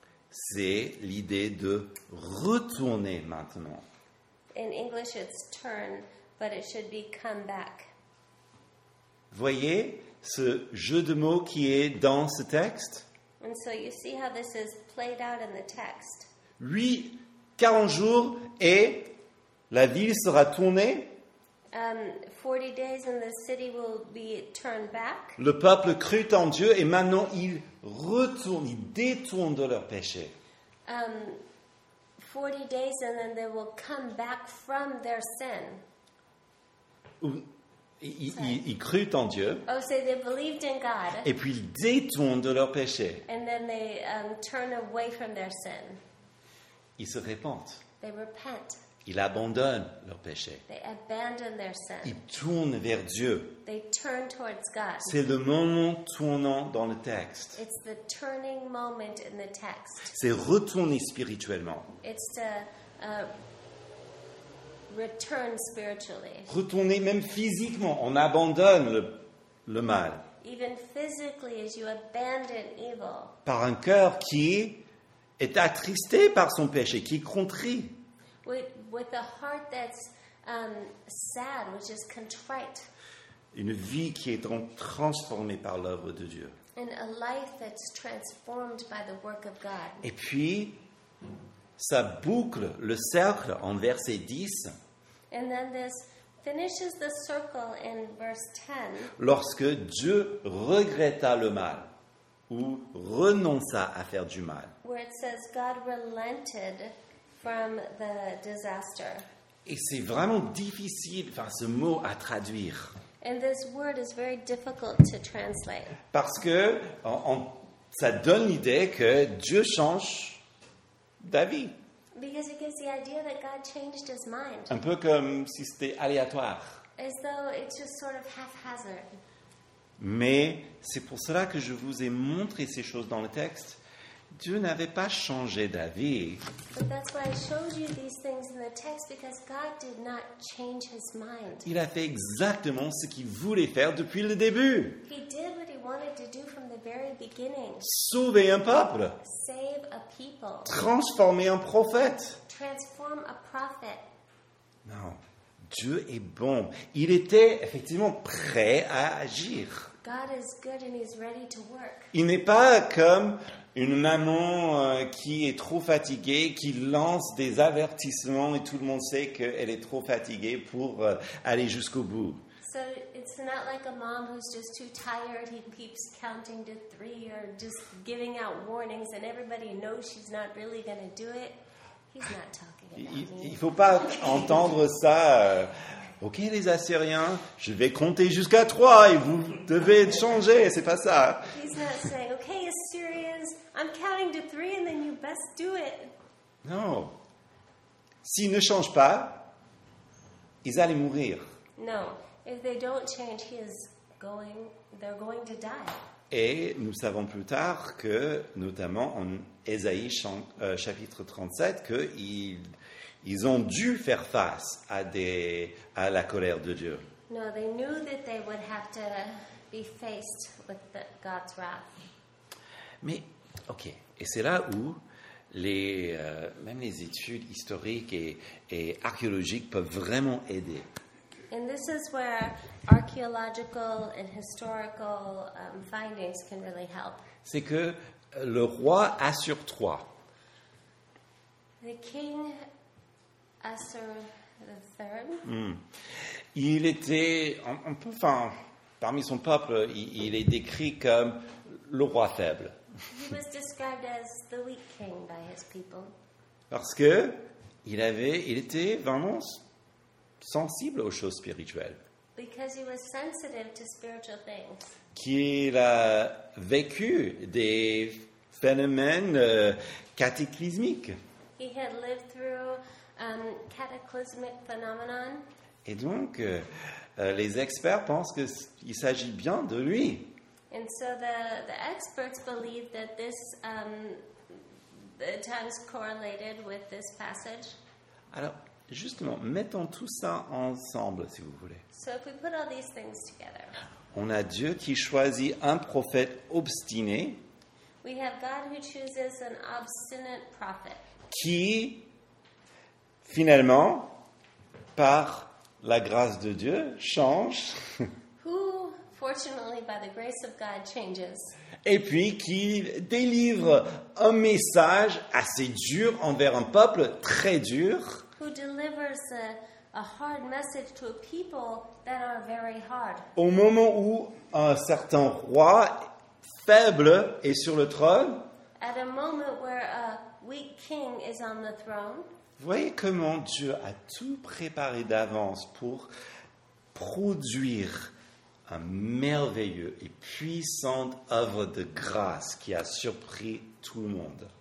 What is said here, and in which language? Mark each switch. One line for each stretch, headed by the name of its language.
French: C'est l'idée de retourner maintenant.
English: In English it's turn, but it should be come back.
French: Voyez ce jeu de mots qui est dans ce texte.
English: And so you see how this is played out in the text.
French: 40 jours et la ville sera tournée.
English: 40 days and the city will be turned back.
French: Le peuple crut en Dieu et maintenant ils retournent, ils détournent de leur péché.
English: 40 days and then they will come back from their sin.
French: Ils crut en Dieu.
English: Oh, so they believed in God.
French: Et puis ils détournent de leur péché.
English: And then they turn away from their sin.
French: Ils se repentent.
English: They repent.
French: Ils abandonnent leur péché.
English: They abandon their sin.
French: Ils tournent vers Dieu.
English: They turn towards God.
French: C'est le moment tournant dans le texte.
English: It's the turning moment in the text.
French: C'est retourner spirituellement.
English: It's the return spiritually.
French: Retourner même physiquement, on abandonne le mal.
English: Even physically, as you abandon evil.
French: Par un cœur qui est attristé par son péché, qui est contrit.
English: With a heart that's sad, which is contrite.
French: Une vie qui est transformée par l'œuvre de Dieu.
English: And a life that's transformed by the work of God.
French: Et puis ça boucle le cercle en verset 10.
English: And then this finishes the circle in verse 10.
French: Lorsque Dieu regretta le mal ou renonça à faire du mal.
English: Where it says God relented from the disaster.
French: Et c'est vraiment difficile, enfin, ce mot à traduire.
English: And this word is very difficult to translate.
French: Parce que ça donne l'idée que Dieu change d'avis.
English: Because it gives the idea that God changed his mind.
French: Un peu comme si c'était aléatoire.
English: As though it's just sort of haphazard.
French: Mais c'est pour cela que je vous ai montré ces choses dans le texte. Dieu n'avait pas changé d'avis.
English: But that's why I showed you these things in the text, because God did not change his mind.
French: Il a fait exactement ce qu'il voulait faire depuis le début.
English: He did what he wanted to do from the very beginning.
French: Sauver un peuple.
English: Save a people.
French: Transformer un prophète.
English: Transform a prophet.
French: Non, Dieu est bon. Il était effectivement prêt à agir.
English: God is good and he's ready to work.
French: Il n'est pas comme une maman qui est trop fatiguée, qui lance des avertissements et tout le monde sait qu'elle est trop fatiguée pour aller jusqu'au bout.
English: So it's not like a mom who's just too tired, he keeps counting to three or just giving out warnings and everybody knows she's not really going to do it. He's not talking about me.
French: Il ne faut pas entendre ça. Ok les Assyriens, je vais compter jusqu'à trois et vous devez changer, c'est pas ça.
English: He's not saying, okay Assyrians, I'm counting to three and then you best do it. No.
French: S'ils ne changent pas, ils allaient mourir.
English: No. If they don't change, they're going to die.
French: Et nous savons plus tard que, notamment en Ésaïe chapitre 37, qu'ils ont dû faire face à la colère de Dieu.
English: No, they knew that they would have to be faced with God's wrath.
French: Mais, ok, et c'est là où même les études historiques et archéologiques peuvent vraiment aider.
English: And this is where archaeological and historical findings can really help.
French: C'est que le roi Assur-3.
English: The king Assur-3.
French: Il était, parmi son peuple, il est décrit comme le roi faible.
English: He was described as the weak king by his people.
French: Parce que il était vraiment sensible aux choses spirituelles.
English: Because he was sensitive to spiritual things.
French: Qu'il a vécu des phénomènes cataclysmiques.
English: He had lived through cataclysmic phenomenon.
French: Et donc, les experts pensent qu'il s'agit bien de lui.
English: And so the experts believe that this the times correlated with this passage.
French: Alors, justement, mettons tout ça ensemble, si vous voulez.
English: So if we put all these things together,
French: on a Dieu qui choisit un prophète obstiné.
English: We have God who chooses an obstinate prophet.
French: Qui, finalement, par la grâce de Dieu, change.
English: Who, fortunately, by the grace of God, changes.
French: Et puis qui délivre un message assez dur envers un peuple très dur.
English: Who delivers a hard message to a people that are very hard.
French: Au moment où un certain roi faible est sur le trône.
English: At a moment where a weak king is on the throne.
French: Voyez comment Dieu a tout préparé d'avance pour produire un merveilleux et puissant œuvre de grâce qui a surpris tout le monde.